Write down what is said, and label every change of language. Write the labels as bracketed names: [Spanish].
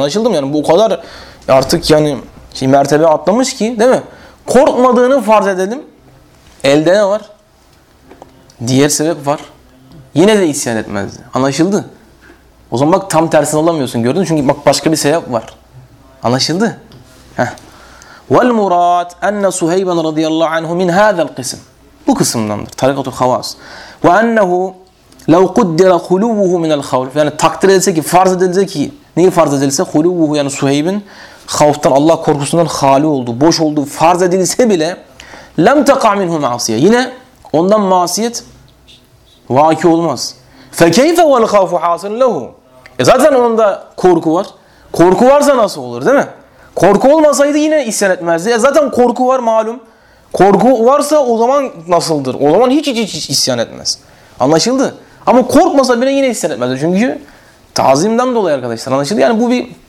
[Turkish] Anlaşıldı mı? Yani bu kadar artık yani şey mertebe atlamış ki, değil mi? Korkmadığını farz edelim. Elde ne var? Diğer sebep var. Yine de isyan etmezdi. Anlaşıldı. O zaman bak tam tersini alamıyorsun, gördün mü? Çünkü bak başka bir sebep var. Anlaşıldı. [Arabic] وَالْمُرَاتْ أَنَّ سُهَيْبًا رَضِيَ اللّٰهُ عَنْهُ مِنْ هَذَا الْقِسِمِ [Turkish] bu kısımdandır. [Arabic] تَرِقَةُ الْخَوَاسِ وَأَنَّهُ لو قدر خلوه من الخوف [Turkish] yani takdir edilse ki farz edilse ki neyi farz edilse خلوه yani Suheyb'in خوفtan Allah korkusundan hali oldu boş oldu farz edilse bile [Arabic] lem taqa minhu ma'siye [Turkish] yine ondan masiyet vaki olmaz [Arabic] fe keyfe vel khawfu hasilun lehu [Turkish] zaten onda korku var korku varsa nasıl olur değil mi korku olmasaydı yine isyan etmezdi zaten korku var malum korku varsa o zaman nasıldır o zaman hiç isyan etmez anlaşıldı ama korkmasa bile yine isyan etmezdi çünkü tazimden dolayı arkadaşlar anlaşıldı yani bu bir